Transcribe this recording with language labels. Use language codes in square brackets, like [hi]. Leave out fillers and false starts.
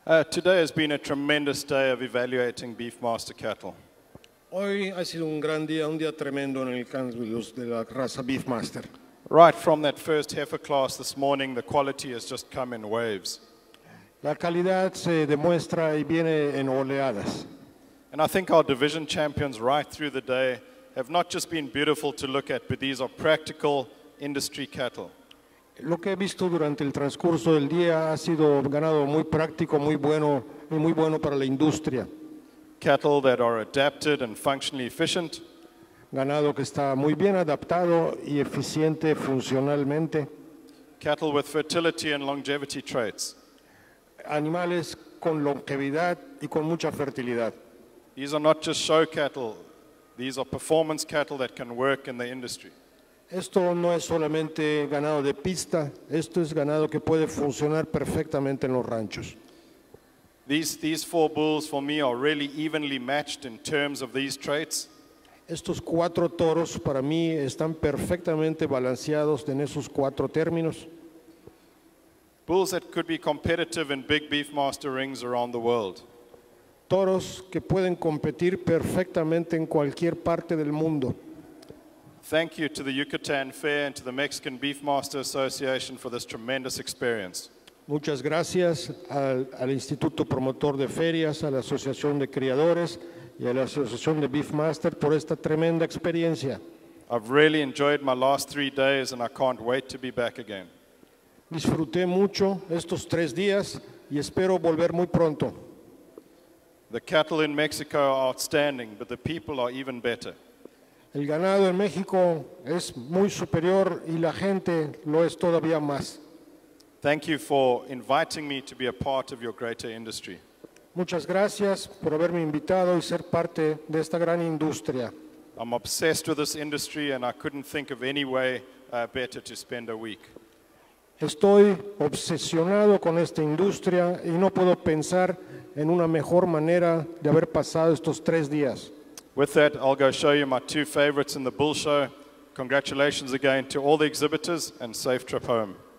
[en] Today has been a tremendous day of evaluating Beefmaster cattle. [es] Hoy ha sido un gran día, un día tremendo en el caso de la raza Beefmaster. [en] Right from that first heifer class this morning, the quality has just come in waves. [es] La calidad se demuestra y viene en oleadas. [en] And I think our division champions right through the day have not just been beautiful to look at, but these are practical industry cattle. [es] Lo que he visto durante el transcurso del día ha sido ganado muy práctico, muy bueno, y muy bueno para la industria. [en] Cattle that are adapted and functionally efficient. [es] Ganado que está muy bien adaptado y eficiente funcionalmente. [en] Cattle with fertility and longevity traits. [es] Animales con longevidad y con mucha fertilidad. [en] These are not just show cattle. These are performance cattle that can work in the industry. [es] Esto no es solamente ganado de pista. Esto es ganado que puede funcionar perfectamente en los ranchos. [en] These four bulls for me are really evenly matched in terms of these traits. [es] Estos cuatro toros para mí están perfectamente balanceados en esos cuatro términos. [en] Bulls that could be competitive in big Beefmaster rings around the world. [es] Toros que pueden competir perfectamente en cualquier parte del mundo. [en] Thank you to the Yucatan Fair and to the Mexican Beefmaster Association for this tremendous experience. [es] Muchas gracias al Instituto Promotor de Ferias, a la Asociación de Criadores y a la Asociación de Beefmaster por esta tremenda experiencia. [en] I've really enjoyed my last 3 days and I can't wait to be back again. [es] Disfruté mucho estos 3 días y espero volver muy pronto. [en] The cattle in Mexico are outstanding, but the people are even better. [es] El ganado en México es muy superior y la gente lo es todavía más. [en] Thank you for inviting me to be a part of your greater industry. [es] Muchas gracias por haberme invitado y ser parte de esta gran industria. [en] I'm obsessed with this industry and I couldn't think of any way better to spend a week. [es] Estoy obsesionado con esta industria y no puedo pensar en una mejor manera de haber pasado estos 3 días. [en] With that, I'll go show you my 2 favorites in the bull show. Congratulations again to all the exhibitors and safe trip home.